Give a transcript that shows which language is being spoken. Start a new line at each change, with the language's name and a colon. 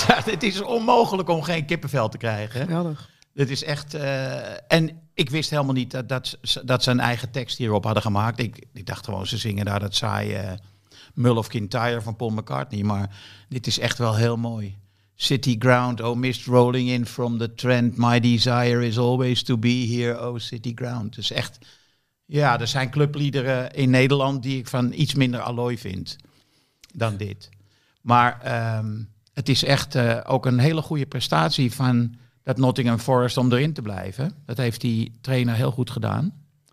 Dutch: Het is onmogelijk om geen kippenvel te krijgen. Geweldig. Het is echt... En ik wist helemaal niet dat ze een eigen tekst hierop hadden gemaakt. Ik dacht gewoon, ze zingen daar dat saaie Mull of Kintyre van Paul McCartney. Maar dit is echt wel heel mooi.
English: City ground, oh mist rolling in from the Trent. My desire is always to be here, oh city ground.
Dutch: Dus echt, ja, er zijn clubliederen in Nederland die ik van iets minder allooi vind dan dit. Maar het is echt ook een hele goede prestatie van dat Nottingham Forest om erin te blijven. Dat heeft die trainer heel goed gedaan.